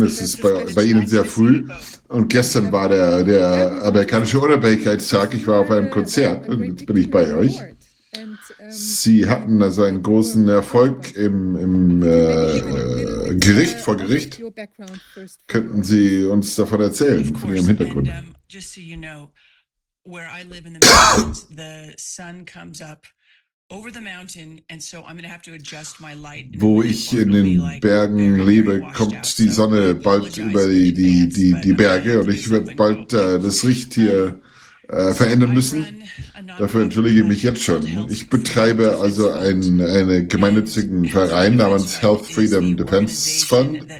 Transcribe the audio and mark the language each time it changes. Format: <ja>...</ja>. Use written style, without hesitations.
<de>Es ist bei Ihnen sehr früh. Und gestern war der amerikanische Unabhängigkeitstag. Ich war auf einem Konzert und jetzt bin ich bei euch. Sie hatten also einen großen Erfolg im Gericht, vor Gericht. Könnten Sie uns davon erzählen, von Ihrem Hintergrund?</de> <en>Just so you know, where I live in the mountains, the sun comes up over the mountain, and so I'm going to have to adjust my light.</en> <de>Wo ich in den Bergen lebe, kommt die Sonne bald über die Berge, und ich werde bald das Licht hier verändern müssen. Dafür entschuldige ich mich jetzt schon. Ich betreibe also einen gemeinnützigen Verein namens Health Freedom Defense Fund.</de>